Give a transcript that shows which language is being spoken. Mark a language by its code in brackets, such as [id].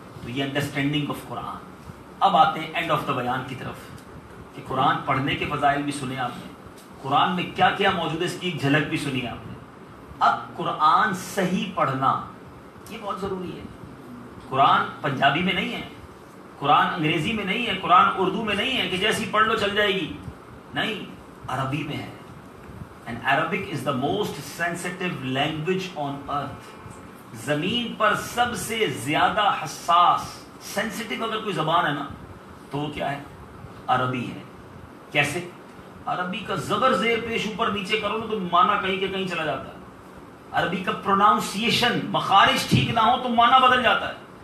[ur] تو یہ [en] understanding of [ur] قرآن. اب آتے ہیں [en] end of the [ur] بیان کی طرف, کہ قرآن پڑھنے کے فضائل بھی سنے آپ نے, قرآن میں کیا کیا موجود ہے اس کی ایک جھلک بھی سنی آپ نے. اب قرآن صحیح پڑھنا یہ بہت ضروری ہے. قرآن پنجابی میں نہیں ہے, قرآن انگریزی میں نہیں ہے, قرآن اردو میں نہیں ہے کہ جیسی پڑھ لو چل جائے گی. نہیں, عربی میں ہے. [en] And Arabic is the most sensitive language on earth. [ur] زمین پر سب سے زیادہ حساس سینسیٹیو اگر کوئی زبان ہے نا تو وہ کیا ہے؟ عربی ہے. کیسے؟ عربی کا زبر زیر پیش اوپر نیچے کرو نا تو معنی کہیں کہ کہیں چلا جاتا ہے. عربی کا پروناؤنسیشن مخارج ٹھیک نہ ہو تو معنی بدل جاتا ہے.